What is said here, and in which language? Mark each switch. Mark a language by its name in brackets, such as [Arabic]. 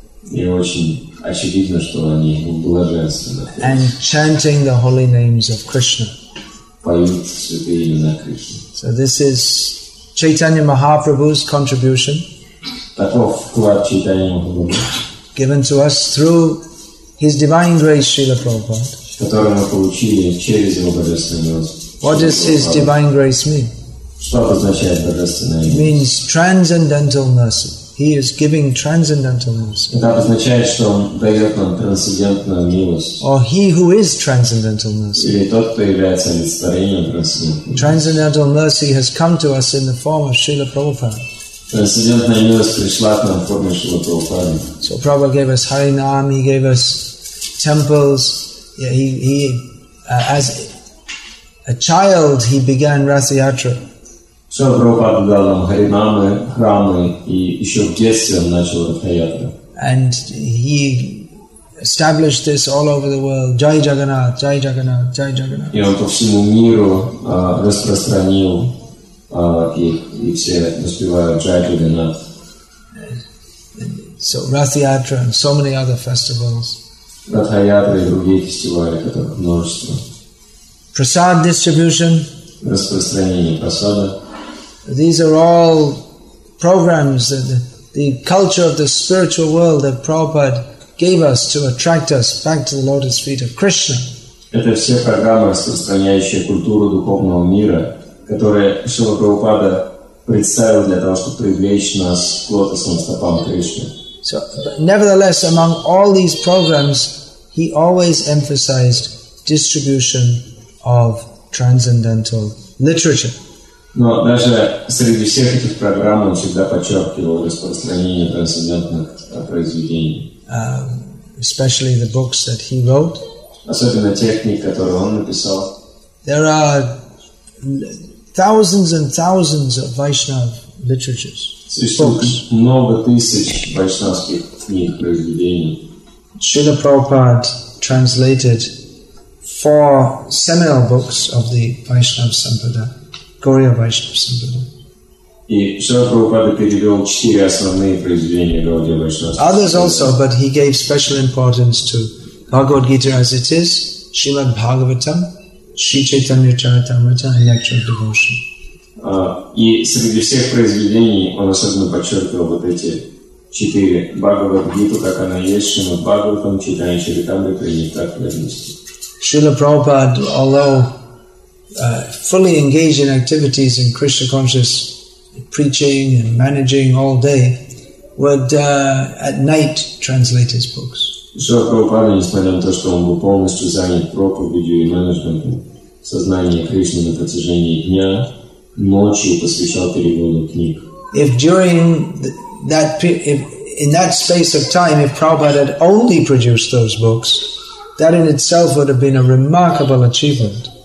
[Russian] И очень очевидно, что они блаженственны. [English] And chanting the holy names of Krishna. [Russian] Поют святые имена Кришны. [English] So this is Chaitanya Mahaprabhu's contribution. [Russian] Таков вклад Чайтаньи Махапрабху. [English] Given to us through his divine grace, Srila Prabhupada. [Russian] Который мы получили через его божественную милость. [English] What does his divine grace mean? [Russian] Что означает божественная милость? [English] It means transcendental mercy. He is giving transcendental mercy. [Russian] Это означает, что он дает нам трансцендентную милость. [English] Or he who is transcendental mercy. [Russian] Или тот, кто является олицетворением трансцендентной милости. [English] Transcendental mercy has come to us in the form of Srila Prabhupada. [Russian] Трансцендентная милость пришла к нам в форме Шрила Прабхупады. [English] So Prabhupada gave us Харинам, he gave us temples. Yeah, he as a child he began Ratha Yatra. [Russian] So Prabhupada дал нам Харинамы, храмы, и еще в детстве он начал Ратха Ятру. [English] And he established this all over the world. [Hindi] Jai Jagannath, Jai Jagannath, Jai Jagannath. [Russian] И он по всему миру распространил и все воспевают Джай Джагнат. [English] So Ratha Yatra and so many other festivals. [Russian] Ратха Ятра и другие фестивали, которых множество. [English] Prasad distribution. [Russian] Распространение прасада. [English] These are all programs that the culture of the spiritual world that Prabhupada gave us to attract us back to the lotus feet of Krishna. [Russian] Это все программы, распространяющие культуру духовного мира, которые Шрила Прабхупада представил для того, чтобы привлечь нас к лотосным стопам Кришны. [English] So, nevertheless, among all these programs, he always emphasized distribution of transcendental literature. [Russian] Но даже среди всех этих программ он всегда подчеркивал распространение трансцендентных произведений. [English] Especially the books that he wrote. [Russian] Особенно те книги, которые он написал. [English] There are thousands and thousands of Vaishnava literatures. Books. [Russian] Много тысяч вайшнавских книг, произведений. [English] Srila Prabhupada translated 4 seminal books of the Vaishnava Sampada. Gaurīya Vaiṣṇava Sampada. [Russian] И Шрила Прабхупада перевел 4 основные произведения Gaurīya Vaiṣṇava Sampada. [English] Others also, but he gave special importance to Bhagavad Gita as it is, Srimad Bhagavatam, Sri Chaitanya Charitamrita, and Lecture of Devotion. [Russian] И среди всех произведений он особенно подчеркивал вот эти 4 Бхагавад Гиту, как она есть, Шримад Бхагаватам, Чайтанья Чаритамрита, и так вместе. [English] Srila Prabhupada, although fully engaged in activities in Krishna conscious preaching and managing all day, would at night translate his books. [Russian] Srila Prabhupada, несмотря на то, что он был полностью занят проповедью и менеджментом сознания Кришны на протяжении дня, ночью посвящал переводу книг. [English] If during that, if in that space of time, if Prabhupada had only produced those books, that in itself would have been a remarkable achievement.